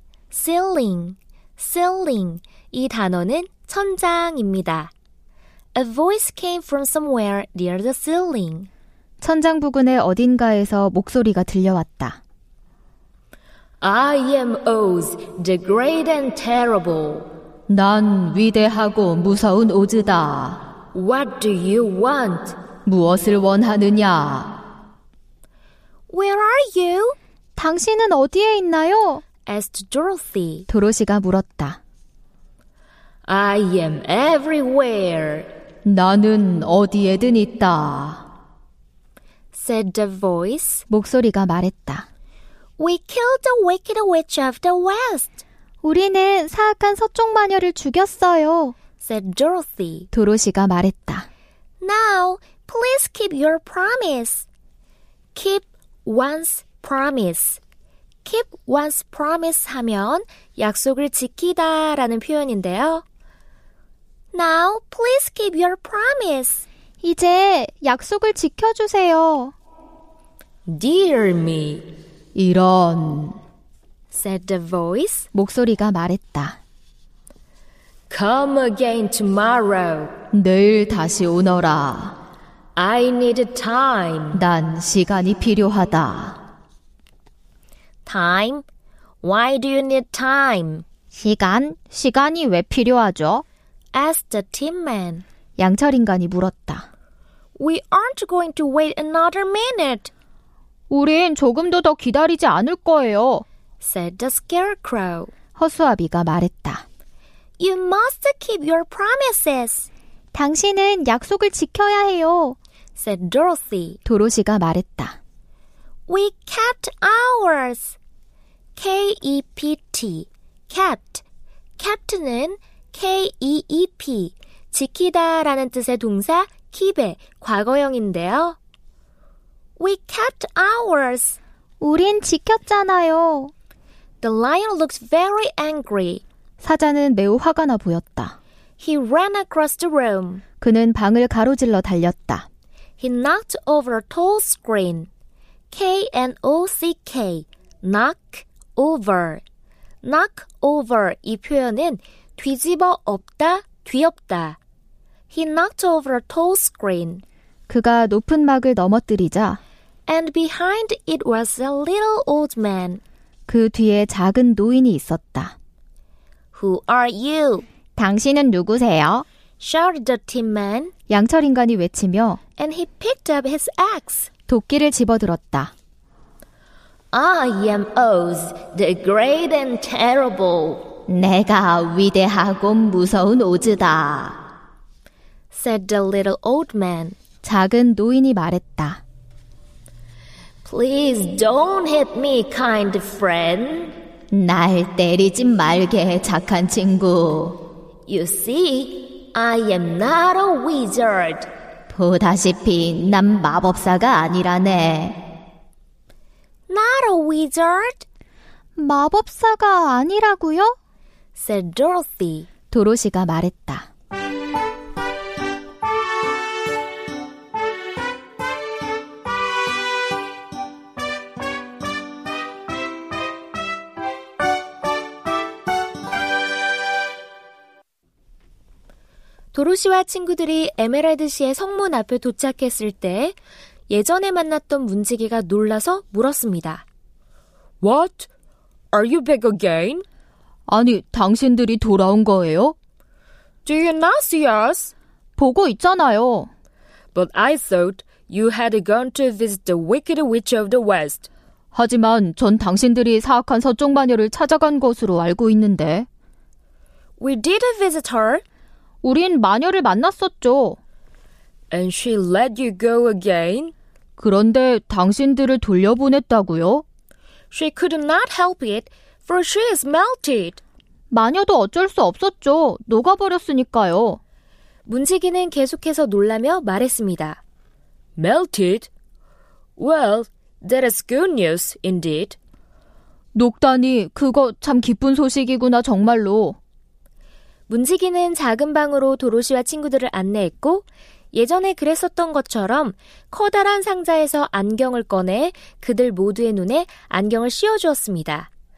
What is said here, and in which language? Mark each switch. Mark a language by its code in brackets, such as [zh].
[ko] Ceiling, ceiling 이 단어는 천장입니다. [en] A voice came from somewhere near the ceiling. [ko] 천장 부근의 어딘가에서 목소리가 들려왔다. [en] I am Oz, the great and terrible. [ko] 난 위대하고 무서운 오즈다. [en] What do you want? [ko] 무엇을 원하느냐? [en] Where are you? [ko] 당신은 어디에 있나요? [en] Asked Dorothy. [ko] 도로시가 물었다. [en] I am everywhere. [ko] 나는 어디에든 있다. [en] Said the voice. [ko] 목소리가 말했다. [en] We killed the wicked witch of the west. [ko] 우리는 사악한 서쪽 마녀를 죽였어요. [en] Said Dorothy. [ko] 도로시가 말했다. [en] Now, please keep your promise. Keep one's promise. Keep one's promise [ko] 하면 약속을 지키다 라는 표현인데요. [en] Now, please keep your promise. [ko] 이제 약속을 지켜주세요. [en] Dear me. [ko] 이런. [en] Said the voice. [ko] 목소리가 말했다. [en] Come again tomorrow. [ko] 내일 다시 오너라. [en] I need time. [ko] 난 시간이 필요하다. [en] Time? Why do you need time? [ko] 시간? 시간이 왜 필요하죠? [en] Asked the tin man. [ko] 양철 인간이 물었다. [en] We aren't going to wait another minute. [ko] 우린 조금도 더 기다리지 않을 거예요. [en] Said the scarecrow. [ko] 허수아비가 말했다. [en] You must keep your promises. [ko] 당신은 약속을 지켜야 해요. [en] Said Dorothy. [ko] 도로시가 말했다. [en] We kept ours. K-E-P-T. Kept. Kept는 K-E-E-P. [ko] 지키다 라는 뜻의 동사 keep의 과거형인데요. [en] We kept ours. [ko] 우린 지켰잖아요. [en] The lion looked very angry. [ko] 사자는 매우 화가 나 보였다. [en] He ran across the room. [ko] 그는 방을 가로질러 달렸다. [en] He knocked over a tall screen. K-N-O-C-K. Knock over. Knock over [ko] 이 표현은 뒤집어 엎다, 뒤엎다. [en] He knocked over a tall screen. [ko] 그가 높은 막을 넘어뜨리자 [en] And behind it was a little old man. [ko] 그 뒤에 작은 노인이 있었다. [en] Who are you? [ko] 당신은 누구세요? [en] Shouted the tin man. [ko] 양철 인간이 외치며 [en] And he picked up his axe. [ko] 도끼를 집어들었다. [en] I am Oz, the great and terrible. [ko] 내가 위대하고 무서운 오즈다. [en] Said the little old man. [ko] 작은 노인이 말했다. [en] Please don't hit me, kind friend. [ko] 날 때리지 말게, 착한 친구. [en] You see, I am not a wizard. [ko] 보다시피 난 마법사가 아니라네. [en] Not a wizard? [ko] 마법사가 아니라고요? [en] Said Dorothy. [ko] 도로시가 말했다. Dorothy와 친구들이 에메랄드 시의 성문 앞에 도착했을 때 예전에 만났던 문지기가 놀라서 물었습니다. [en] What? Are you back again? [ko] 아니, 당신들이 돌아온 거예요? [en] Do you not see us? [ko] 보고 있잖아요. [en] But I thought you had gone to visit the Wicked Witch of the West. [ko] 하지만 전 당신들이 사악한 서쪽 마녀를 찾아간 것으로 알고 있는데. [en] We did visit her. [ko] 우린 마녀를 만났었죠. [en] And she let you go again. [ko] 그런데 당신들을 돌려보냈다고요? [en] She could not help it, for she is melted. [ko] 마녀도 어쩔 수 없었죠. 녹아버렸으니까요. 문지기는 계속해서 놀라며 말했습니다. [en] Melted? Well, that is good news indeed. [ko] 녹다니, 그거 참 기쁜 소식이구나 정말로. 문지기는 작은 방으로 도로시와 친구들을 안내했고, 예전에 그랬었던 것처럼 커다란 상자에서 안경을 꺼내 그들 모두의 눈에 안경을 씌워주었습니다.